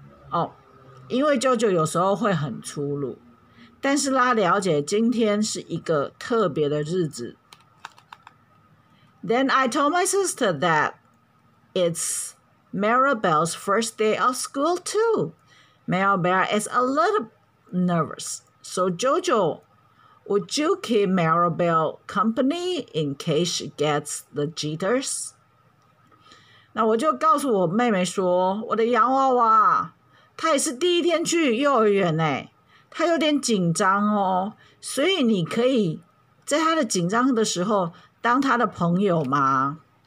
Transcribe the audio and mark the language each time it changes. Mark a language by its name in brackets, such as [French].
[Chinese] 哦，因为 JoJo 有时候会很粗鲁，但是他了解今天是一个特别的日子。 [English] Then I told my sister that it's Maribel's first day of school too. Maribel is a little nervous, so JoJo. Would you keep Maribel company in case she gets the jitters? [Chinese] 那我就告诉我妹妹说，我的洋娃娃，她也是第一天去幼儿园耶，她有点紧张哦，所以你可以在她的紧张的时候当她的朋友吗？